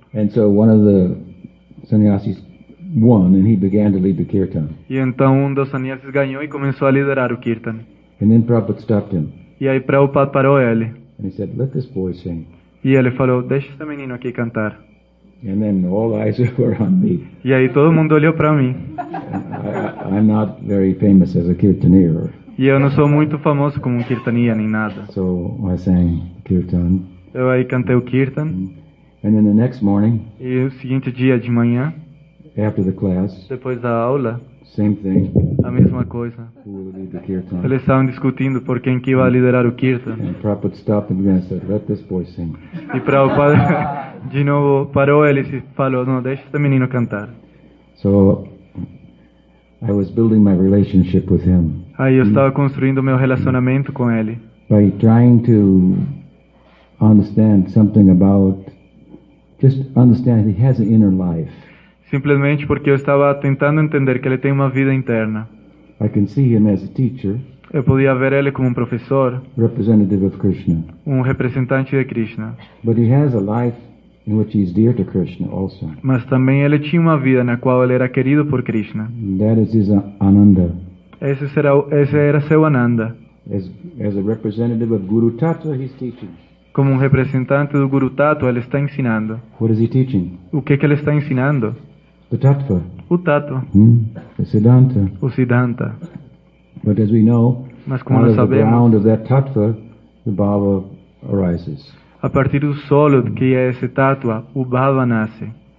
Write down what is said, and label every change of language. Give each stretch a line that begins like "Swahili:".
English: And so one of the sannyasis won, and he began to lead the kirtan.
Portuguese: E então dos sannyasis ganhou e começou a liderar o kirtan.
English: And then Prabhupada stopped him.
Portuguese: E aí Prabhupada parou ele.
English: And he said, "Let this boy sing."
Portuguese: E ele falou, deixa esse menino aqui cantar.
English: And then all eyes were on me.
Portuguese: E aí todo mundo olhou para mim.
English: I'm not very famous as a kirtanier.
Portuguese: E eu não sou muito famoso como um kirtania nem nada.
English: So I sang kirtan.
Portuguese: Eu aí cantei o kirtan.
English: And then the next morning.
Portuguese: E o seguinte dia de manhã.
English: After the class.
Portuguese: Depois da aula.
English: Same thing.
Portuguese: A mesma coisa.
English: Who will lead the kirtan?
Portuguese: Eles estavam discutindo por quem que ia liderar o kirtan.
English: And Prabhupada stopped him and said, "Let this boy sing."
Portuguese: E Prabhupada de novo parou ele e falou, "Não, deixa esse menino cantar."
English: So I was building my relationship with him.
Portuguese: Aí eu estava construindo meu relacionamento com ele.
English: By trying to understand something about, just understand he has an inner life.
Portuguese: Simplesmente porque eu estava tentando entender que ele tem uma vida interna.
English: I can see him as a teacher.
Portuguese: Eu podia ver ele como um professor.
English: Representative of Krishna.
Portuguese: Um representante de Krishna.
English: But he has a life in which he is dear to Krishna also.
Portuguese: Mas também ele tinha uma vida na qual ele era querido por Krishna.
English: That is his Ananda.
Portuguese: Esse era seu Ananda.
English: As a representative of Guru Tattva, he's teaching.
Portuguese: Como representante do Guru Tattva, ele está ensinando.
English: What is he teaching?
Portuguese: O que ele está ensinando?
English: The Tattva.
Portuguese: O Tattva.
English: The Siddhanta.
Portuguese: O Siddhanta.
English: But as we know,
Portuguese: mas como nós sabemos,
English: the ground of that Tattva, the Bhava arises.
Portuguese: A partir do solo que é esse Tattva, o Bhava nasce.